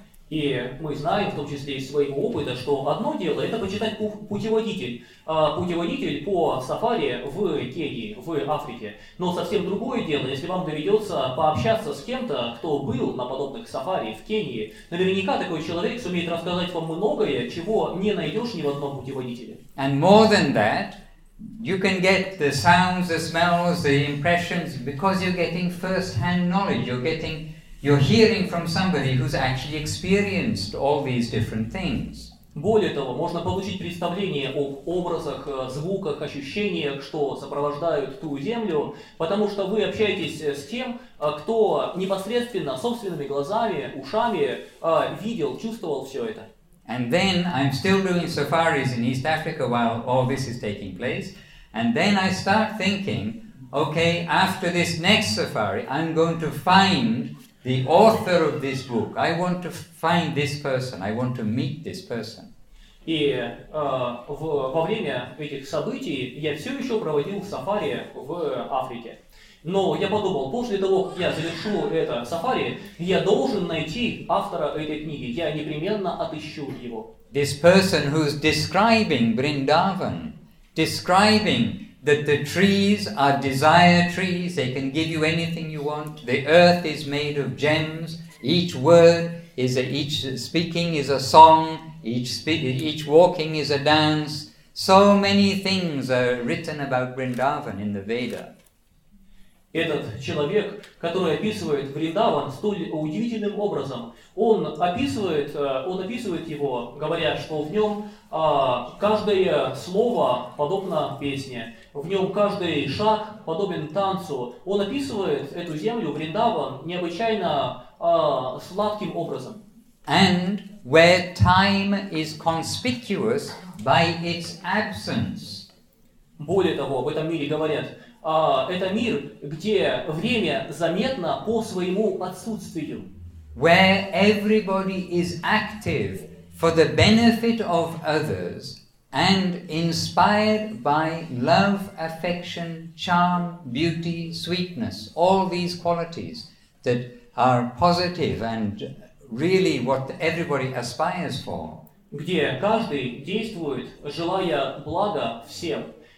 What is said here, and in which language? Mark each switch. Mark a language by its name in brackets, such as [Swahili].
[Russian] И мы знаем, в том числе из своего опыта, что одно дело – это почитать путеводитель по сафари в Кении, в Африке. Но совсем другое дело, если вам доведется пообщаться с кем-то, кто был на подобных сафари в Кении, наверняка такой человек сумеет рассказать вам многое, чего не найдешь ни в одном путеводителе. [English] And more than that, you can get the sounds, the smells, the impressions, because you're getting first-hand knowledge, you're hearing from somebody who's actually experienced all these different things. [Russian] Более того, можно получить представление об образах, звуках, ощущениях, что сопровождают ту землю, потому что вы общаетесь с тем, кто непосредственно собственными глазами, ушами видел, чувствовал все это. [English] And then I'm still doing safaris in East Africa while all this is taking place, and then I start thinking, Okay, after this next safari, I'm going to find the author of this book. I want to find this person. I want to meet this person. [Russian] И во время этих событий я все еще проводил сафари в Африке. Но я подумал, после того, как я завершу это сафари, я должен найти автора этой книги. Я непременно отыщу его. [English] This person who's describing Vrindavan, describing that the trees are desire trees, they can give you anything you want. The earth is made of gems. Each word is a, each speaking is a song. Each walking is a dance. So many things are written about Vrindavan in the Veda. [Russian] Этот человек, который описывает Вриндаван столь удивительным образом, он описывает его, говоря, что в нем каждое слово подобно песне, в нем каждый шаг подобен танцу. Он описывает эту землю, Вриндаван, необычайно сладким образом. [English] And where time is conspicuous by its absence. [Russian] Более того, в этом мире говорят, это мир, где время заметно по своему отсутствию. [English] Where everybody is active for the benefit of others and inspired by love, affection, charm, beauty, sweetness, all these qualities that are positive and really what everybody aspires for. [Russian] Где каждый действует, желая блага всем.